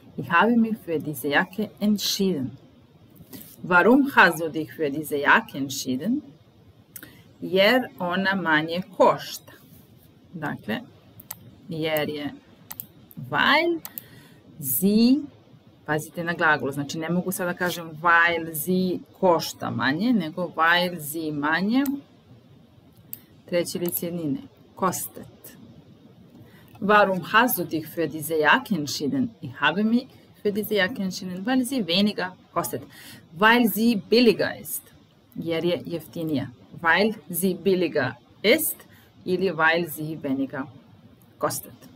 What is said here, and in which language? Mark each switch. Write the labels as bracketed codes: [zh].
[de] Ich habe mich für diese Jacke entschieden. Warum hast du dich für diese Jacke entschieden? [hr] Jer ona manje košta. Dakle, jer je [de] weil sie, [hr] pazite na glagolu, znači ne mogu sada kažem weil sie košta manje, nego weil sie manje, treće lice jednine, kostet. [de] Warum hast du dich für diese Jacke entschieden? Ich habe mich für diese Jacke entschieden, weil sie weniger kostet. Weil sie billiger ist. [hr] Jer je jeftinija. [de] Weil sie billiger ist ili weil sie weniger kostet.